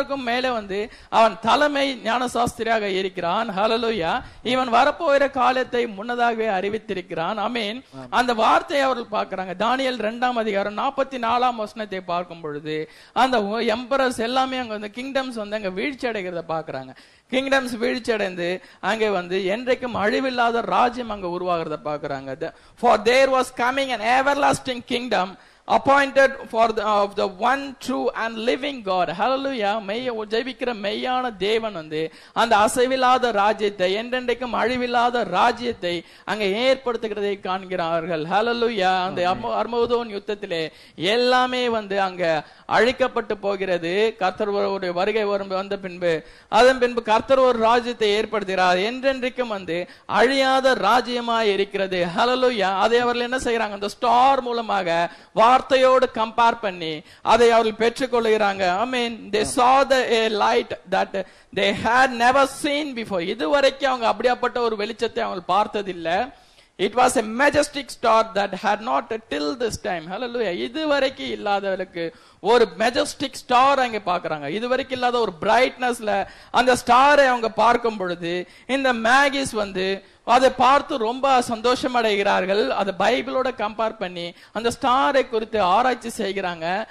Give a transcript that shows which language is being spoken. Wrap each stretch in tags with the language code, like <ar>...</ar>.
<ta>மேலே வந்து அவன் தலைமை ஞான சாஸ்திரியாக இருக்கிறான், வரப்போகிற காலத்தை முன்னதாக அறிவித்திருக்கிறான். அமீன். அந்த வார்த்தையை அவர்கள் பார்க்கிறாங்க. தானியேல் 2:44 வசனத்தை பார்க்கும் பொழுது அந்த எம்பரர்ஸ் எல்லாமே அங்க வந்து கிங்டம்ஸ் வந்து அங்க வீழ்ச்சி அடைகிறத பார்க்கிறாங்க. கிங்டம்ஸ் வீழ்ச்சி அடைந்து அங்கே வந்து என்றைக்கும் அழிவில்லாத ராஜ்யம் அங்க உருவாகிறத பார்க்கிறாங்க.</ta> <en>For there was coming an everlasting kingdom appointed for the of the one true and living God. Hallelujah.</en> <ta>மெய்யே ஜெபிக்கிற மெய்யான தேவன் வந்து அந்த அசைவில்லாத ராஜ்யத்தை என்றென்றைக்கும் அழிவில்லாத ராஜ்யத்தை அங்க ஏற்படுத்துகிறதை காண்கிறார்கள். Hallelujah. அந்த அர்மோதோன் யுத்தத்திலே எல்லாமே வந்து அங்க அழிக்கப்பட்டு போகிறது. கர்த்தர் ஒரு வருகை வந்த பின்பு அதன் பின்பு கர்த்தர் ஒரு ராஜ்யத்தை ஏற்படுத்துகிறார். என்றென்றைக்கும் வந்து அழியாத ராஜ்யமா இருக்கிறது. ஹல்லேலூயா. அதை அவர்கள் என்ன செய்யறாங்க? அந்த ஸ்டார் மூலமாக வார்த்தையோடு கம்பேர் பண்ணி அதை அவர்கள் பெற்றுக்கொள்கிறாங்க.</ta> <en>I mean they saw the a light that they had never seen before.</en> <ta>இதுவரைக்கும் அவங்க அப்படியாப்பட்ட ஒரு வெளிச்சத்தை அவங்க பார்த்ததில்லை.</ta> <en>It was a majestic star that had not till this time. Hallelujah.</en> <ta>இது வரைக்கும் இல்லாதவர்களுக்கு ஒரு majestic star அங்க பாக்குறாங்க. இது வரைக்கும் இல்லாத ஒரு brightnessல அந்த ஸ்டாரை அவங்க பார்க்கும் பொழுது இந்த மேகிஸ் வந்து அதை பார்த்து ரொம்ப சந்தோஷம் அடைகிறார்கள். அதை பைபிளோட கம்பேர் பண்ணி அந்த ஸ்டாரை குறித்து ஆராய்ச்சி செய்கிறாங்க.</ta>